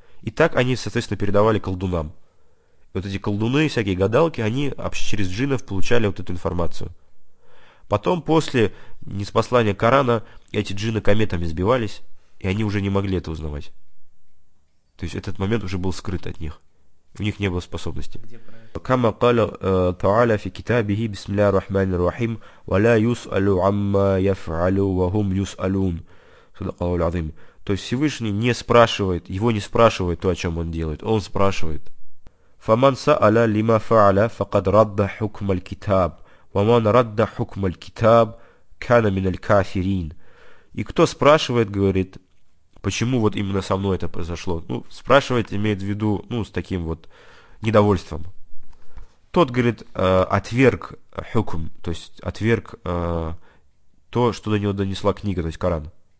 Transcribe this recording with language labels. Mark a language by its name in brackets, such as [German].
[Russian] И так они, соответственно, передавали колдунам. И вот эти колдуны, всякие гадалки, они через джиннов получали вот эту информацию. Потом, после ниспослания Корана, эти джинны кометами сбивались, и они уже не могли это узнавать. То есть этот момент уже был скрыт от них. У них не было способности. [Arabic] كما قال تعالى في كتابه بسم الله الرحمن الرحيم ولا يسأل عما يفعل وهم يسألون. صدق الله العظيم. [Russian] То есть Всевышний не спрашивает, его не спрашивают то, о чем он делает, он спрашивает. [Arabic] فمن سأل لما فعل فقد رد حكم الكتاب ومن رد حكم الكتاب كان من الكافرين. [Russian] И кто спрашивает, говорит, почему вот именно со мной это произошло? Ну, спрашивает имеет в виду, ну, с таким вот недовольством. Тот, говорит, отверг хюкм, то есть отверг то, что до него донесла книга, то есть Коран.